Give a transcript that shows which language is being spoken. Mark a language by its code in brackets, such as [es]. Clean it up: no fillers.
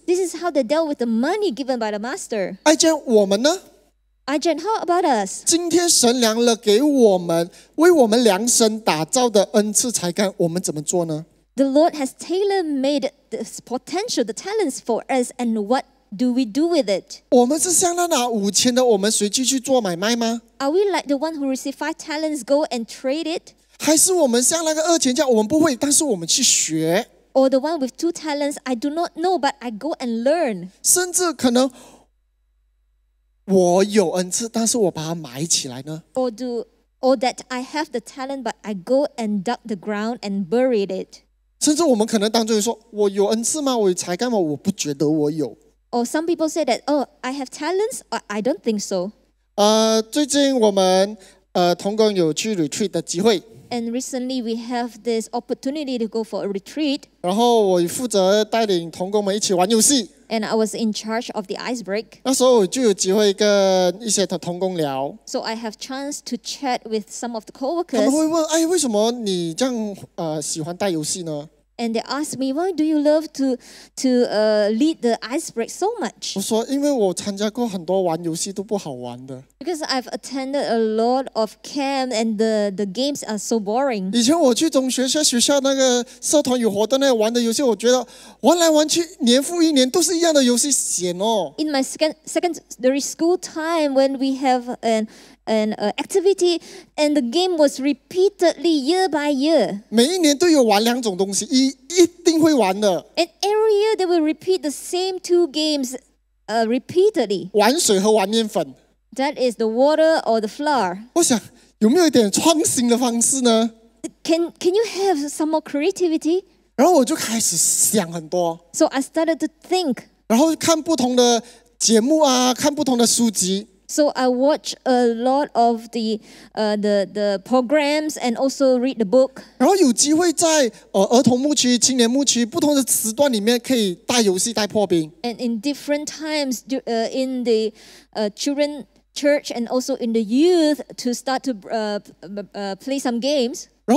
[en] This is how they dealt with the money given by the master. [zh] 艾娟，我们呢？ [en] Ajahn, how about us? [zh] 今天神量了给我们，为我们量身打造的恩赐才干，我们怎么做呢？ [en] The Lord has tailor-made this potential, the talents for us, and what do we do with it? [zh] 我们是像那拿五千的，我们随机去做买卖吗？ [en] Are we like the one who received five talents, go and trade it? [zh] 还是我们像那个二千家，我们不会，但是我们去学？ [en] Or the one with two talents, I do not know, but I go and learn. [zh] 甚至可能我有恩赐，但是我把它埋起来呢？ [en] Or that I have the talent, but I go and dug the ground and buried it. [zh] 甚至我们可能当中说，我有恩赐吗？我有才干吗？我不觉得我有。 [en] Or some people say that, oh, I have talents, or I don't think so. [zh] 最近我们同工有去 retreat 的机会。 [en] And recently we have this opportunity to go for a retreat. [zh] 然后我负责带领同工们一起玩游戏。 [en] And I was in charge of the ice break. [zh] 那时候我就有机会跟一些同工聊。 [en] So I have chance to chat with some of the coworkers. [zh] 他们会问，哎，为什么你这样喜欢带游戏呢？ [en] And they asked me, why do you love to lead the icebreak so much? [zh] 我说，因为我参加过很多玩游戏都不好玩的。 [en] Because I've attended a lot of camp and the games are so boring. [zh] 以前我去中学校学校那个社团有活动那玩的游戏，我觉得玩来玩去年复一年都是一样的游戏，闲哦。 [en] In my secondary school time, when we have an activity and the game was repeatedly year by year. [zh] 每一年都有玩两种东西，一定会玩的。 [en] And every year they will repeat the same two games, repeatedly. [zh] 玩水和玩面粉。 [en] That is the water or the flour. [zh] 我想有没有一点创新的方式呢？ [en] Can you have some more creativity? [zh] 然后我就开始想很多。 [en] So I started to think. [zh] 然后看不同的节目啊，看不同的书籍。 [en] So I watch a lot of the programs and also read the book. [zh] 然后有机会在儿童牧区、青年牧区不同的时段里面可以带游戏、带破冰。 [en] And in different times, in the children church and also in the youth to start to play some games.